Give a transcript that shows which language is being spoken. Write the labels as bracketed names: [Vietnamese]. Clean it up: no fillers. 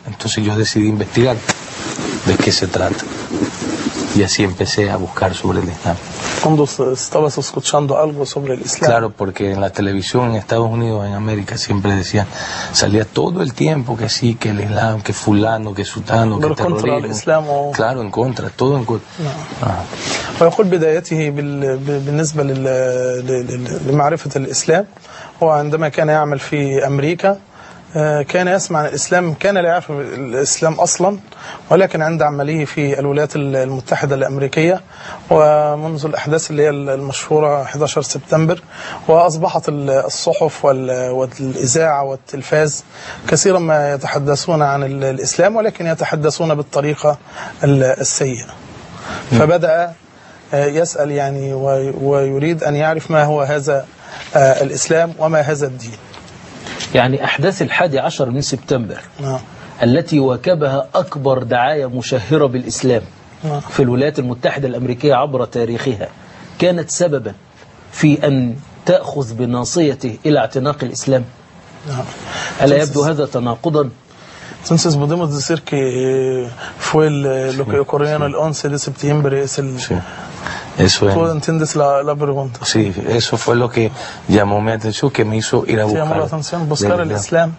[Spanish] Entonces yo decidí investigar de qué se trata y así empecé a buscar sobre el Islam. ¿Cuándo estabas escuchando algo sobre el Islam? Claro, porque en la televisión en Estados Unidos, en América, siempre decían, salía todo el tiempo que sí, que el Islam, que fulano, que sutano, que terrorismo. ¿Contra el Islam? Claro, en contra, todo en contra. No. Ah. [Arabic] ويقول بدايته بالنسبة لمعرفة الإسلام هو عندما كان يعمل في أمريكا كان يسمع عن الإسلام، كان لا يعرف الإسلام أصلا، ولكن عند عمله في الولايات المتحدة الأمريكية ومنذ الأحداث اللي هي المشهورة 11 سبتمبر، وأصبحت الصحف والإذاعة والتلفاز كثيرا ما يتحدثون عن الإسلام، ولكن يتحدثون بالطريقة السيئة. فبدأ يسأل يعني ويريد أن يعرف ما هو هذا الإسلام وما هذا الدين. يعني أحداث 11 من سبتمبر التي واكبها أكبر دعاية مشهرة بالإسلام في الولايات المتحدة الأمريكية عبر تاريخها، كانت سببا في أن تأخذ بناصيته إلى اعتناق الإسلام. ألا يبدو هذا تناقضا؟ [Spanish] Entonces podemos decir que fue lo que ocurrió el 11 de septiembre es el. Eso es. ¿Tú entiendes la pregunta? Sí, eso fue lo que llamó mi atención, que me hizo ir a buscar. Llamó la atención, buscar el Islam.